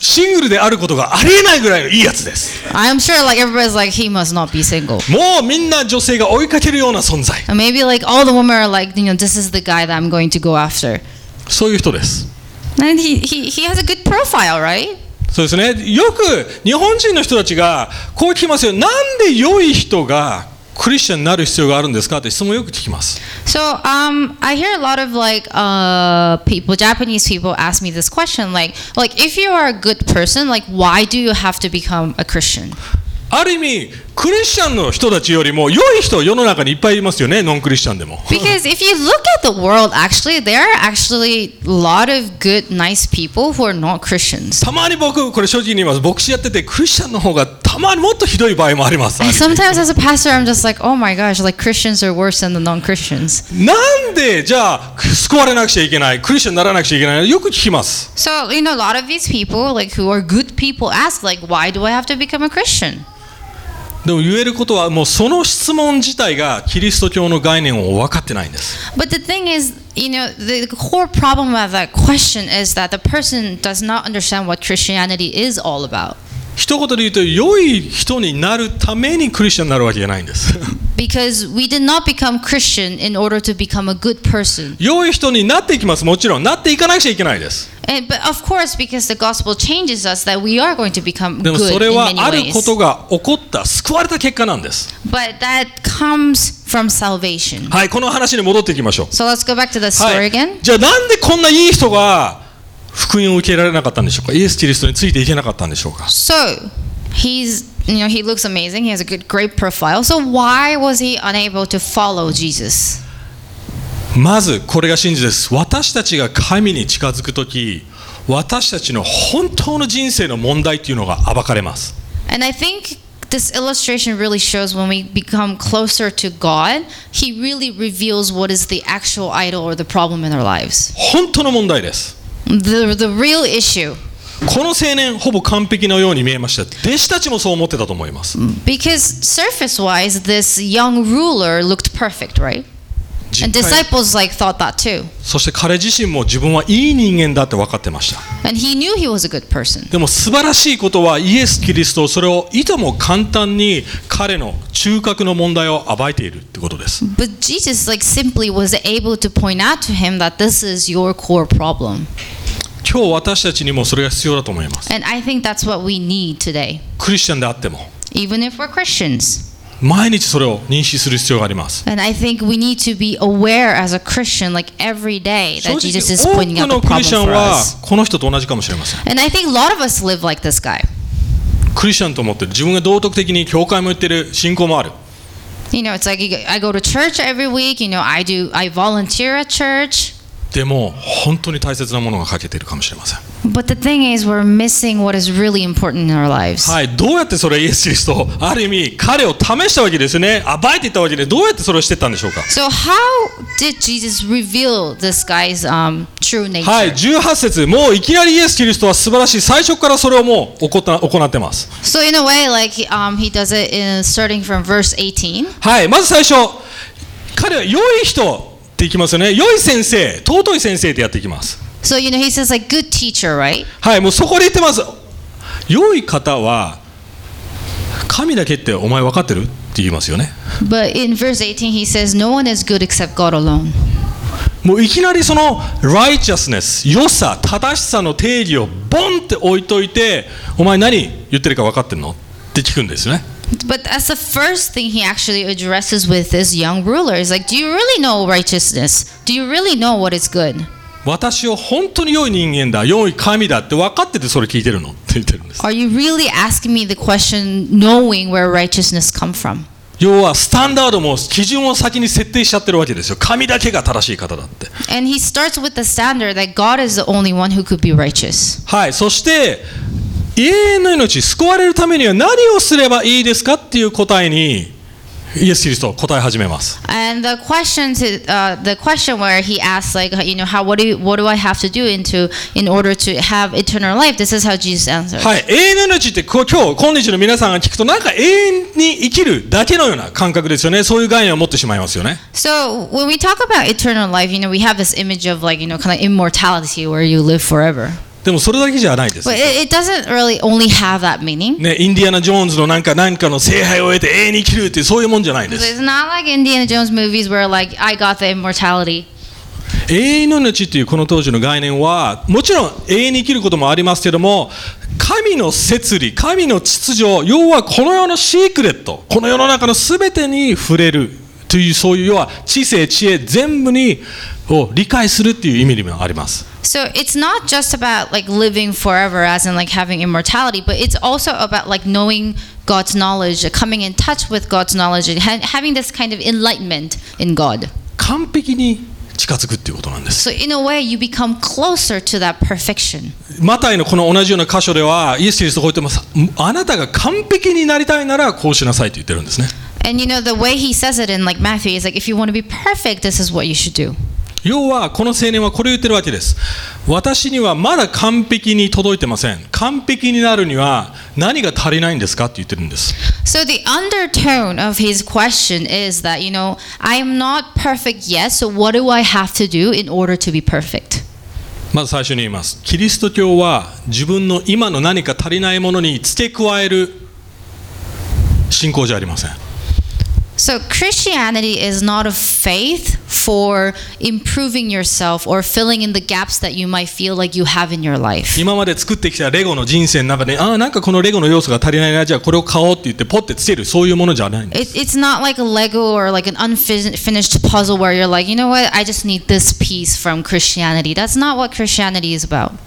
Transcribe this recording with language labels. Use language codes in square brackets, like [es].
[ja] シングルであることがありえないぐらいのいいやつです。 [en] I'm sure like everybody's like he must not be single. [ja] もうみんな女性が追いかけるような存在。 [en] Maybe like all the women are like, you know, this is the guy that I'm going to go after. [ja] そういう人です。 [en] And he has a good profile, right? [ja] そうですね。よく日本人の人たちがこう聞きますよ。なんで良い人がクリスチャンになる必要があるんですかって質問よく聞きます。 [en] So, I hear a lot of like, people, Japanese people ask me this question, like if you are a good person, like why do you have to become a Christian? [ja] ある意味、クリスチャンの人たちよりも良い人世の中にいっぱいいますよね、ノンクリスチャンでも。 [en] Because if you look at the world, actually, there are actually a lot of good, nice people who are not Christians. [ja] たまに僕、これ正直に言います、牧師やっててクリスチャンの方がたまにもっとひどい場合もあります。 [en] Sometimes as a pastor, I'm just like, oh my gosh, like Christians are worse than the non-Christians. [ja] なんでじゃあ救われなくちゃいけない、クリスチャンにならなくちゃいけないのよく聞きます。 [en] So you know, a lot of these people, like who are good people, ask like, why do I have to become a Christian? [ja] でも言えることはもうその質問自体がキリスト教の概念を分かってないんです。 [en] But the thing is, you know, the core problem of that question is that the person does not understand what Christianity is all about. [ja] 一言で言うと、良い人になるためにクリスチャンになるわけじゃないんです。 [en] Because we did not become Christian in order to become a good person. [ja] 良い人になっていきます、もちろん。なっていかなくちゃいけないです。 [en] And, but of course, because the gospel changes us, that we are going to become good in many ways. [ja] でもそれはあることが起こった、救われた結果なんです。 [en] But that comes from salvation. [ja] はい、この話に戻っていきましょう。 [en] So let's go back to the story again. [ja] じゃあなんでこんな良い人が、福音を受けられなかったんでしょうか。イエス・キリストについていけなかったんでしょうか。 [en] So, he's, you know, he looks amazing. He has a good, great profile. So why was he unable to follow Jesus? [ja] まずこれが真実です。私たちが神に近づくとき、私たちの本当の人生の問題というのが暴かれます。 [en] And I think this illustration really shows when we become closer to God, He really reveals what is the actual idol or the problem in our lives. [ja] 本当の問題です。 [en] The real issue. [ja] この青年ほぼ完璧のように見えました。弟子たちもそう思ってたと思います。 [en] Because surface wise, this young ruler looked perfect, right? And disciples like thought that too. [ja] そして彼自身も自分はいい人間だって分かってました。 [en] And he knew he was a good person. [ja] でも素晴らしいことはイエス・キリストそれをいとも簡単に彼の中核の問題を暴いているってことです。 [en] But Jesus like simply was able to point out to him that this is your core problem. [ja] 今日私たちにもそれが必要だと思います。 [en] And I think that's what we need today. [ja] クリスチャンであっても。 [en] Even if we're Christians. [ja] 毎日それを認識する必要があります。 [en] And I think we need to be aware as a Christian, like every day, that Jesus is pointing out the problem for us. [ja] 多くのクリスチャンはこの人と同じかもしれません。 [en] And I think a lot of us live like this guy. [ja] クリスチャンと思ってる。自分が道徳的に教会も行ってる、信仰もある。 [en] You know, it's like I go to church every week, you know, I volunteer at church. [ja] でも本当に大切なものが欠けているかもしれません。 [en] But the thing is, we're missing what is really important in our lives. [ja] はい、どうやってそれイエス・キリスト、ある意味彼を試したわけですね。暴いていったわけで、どうやってそれをしてたんでしょうか。 [en] So how did Jesus reveal this guy's true nature? [ja] はい、18節、もういきなりイエス・キリストは素晴らしい。最初からそれをもう行ってます。 [en] So in a way, like he does it in starting from verse 18. [ja] はい、まず最初、彼は良い人。っていきますよね。良い先生、尊い先生ってやっていきます。 [en] So, you know, he says like good teacher, right? [ja] はい、もうそこで言ってます。良い方は神だけってお前分かってるって言いますよね。 [en] But in verse 18, he says no one is good except God alone. [ja] もういきなりその righteousness、良さ、正しさの定義をボンって置いといて、お前何言ってるか分かってるのって聞くんですね。 [en] But that's the first thing he actually addresses with this young ruler. He's like, do you really know righteousness? Do you really know what is good? [ja] 私は本当に良い人間だ、良い神だって分かっててそれ聞いてるのって言ってるんです。 [en] Are you really asking me the question knowing where righteousness come from? [ja] 要はスタンダードも基準を先に設定しちゃってるわけですよ。神だけが正しい方だって。 [en] And he starts with the standard that God is the only one who could be righteous. [ja] はい、そして永遠の命、救われるためには何をすればいいですかっていう答えにイエス・キリスト答え始めます。 [en] And the question, to, the question where he asks, like, you know, how, what do I have to do into, in order to have eternal life? This is how Jesus answers. [ja] はい、永遠の命って今日の皆さんが聞くとなんか永遠に生きるだけのような感覚ですよね。そういう概念を持ってしまいますよね。 [en] So when we talk about eternal life, you know, we have this image of like, you know, kind of immortality where you live forever. [ja] でもそれだけじゃないです。 [en] But it doesn't really only have that meaning. [ja] ね、インディアナ・ジョーンズのなんかの聖杯を得て永遠に生きるってそういうもんじゃないです。 [en] It's not like Indiana Jones movies where like I got the immortality. [ja] 永遠の命っていうこの当時の概念はもちろん永遠に生きることもありますけども、神の摂理、神の秩序、要はこの世のシークレット、この世の中のすべてに触れるというそういう要は知性知恵全部にを理解するっていう意味にもあります。 [en] So it's not just about like living forever as in like having immortality, but it's also about like knowing God's knowledge, coming in touch with God's knowledge, and having this kind of enlightenment in God. [ja] 完璧に近づくっていうことなんです。 [en] So in a way, you become closer to that perfection. [ja] マタイのこの同じような箇所では、イエス・キリストこう言ってます。あなたが完璧になりたいならこうしなさいと言ってるんですね。 [en] And you know, the way he says it in like Matthew is like, if you want to be perfect, this is what you should do. [ja] 要はこの青年はこれ言ってるわけです。私にはまだ完璧に届いてません。完璧になるには何が足りないんですかって言ってるんです。 [en] So the undertone of his question is that, you know, I'm not perfect yet, so what do I have to do in order to be perfect? [ja] まず最初に言います。キリスト教は自分の今の何か足りないものに付け加える信仰じゃありません。 [en] So Christianity is not a faith for improving yourself or filling in the gaps that you might feel like you have in your life. [ja] 今まで作ってきたレゴの人生の中で、ああなんかこのレゴの要素が足りないな、じゃあこれを買おうって言ってポッてつける、そういうものじゃないんです。 [en] It's not like a Lego or like an unfinished puzzle where you're like, you know what, I just need this piece from Christianity. That's not what Christianity is about.